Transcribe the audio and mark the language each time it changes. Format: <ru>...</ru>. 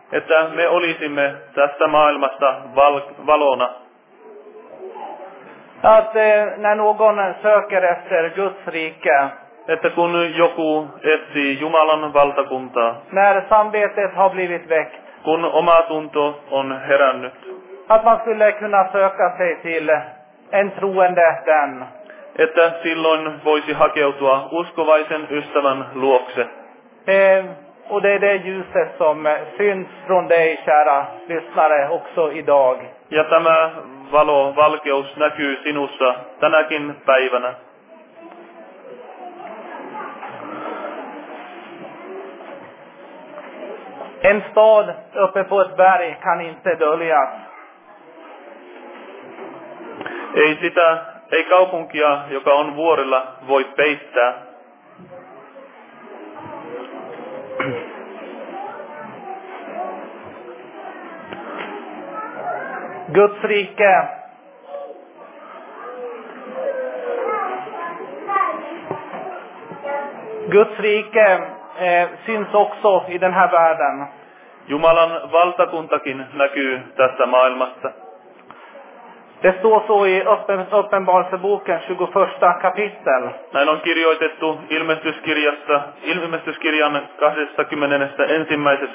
<fi>Että me olisimme tästä maailmasta valona.</fi> <sv>Att när någon söker efter Guds rike.</sv> <fi>Että kun joku etsii Jumalan valtakuntaa.</fi> <sv>När samvetet har blivit väckt.</sv> <fi>Kun oma tunto on herännyt.</fi> <sv>Att man skulle kunna söka sig till en troende den.</sv> <fi>Että silloin voisi hakeutua uskovaisen ystävän luokse.</fi> <sv>Och det är det ljuset som syns från dig, kära lyssnare, också idag.</sv> <fi>Ja tämä valo, valkeus näkyy sinussa tänäkin päivänä.</fi> <sv>En stad uppe på ett berg kan inte döljas.</sv> <fi>Ei sitä, ei kaupunkia, joka on vuorilla, voi peittää.</fi> <sv>Guds rike. Guds rike syns också i den här världen.</sv> <fi>Jumalan valtakuntakin näkyy tässä maailmassa.</fi> <sv>Det står så i uppenbarelseboken 21 kapitel.</sv> <fi>Näin on kirjoitettu ilmestyskirjan 21.</fi>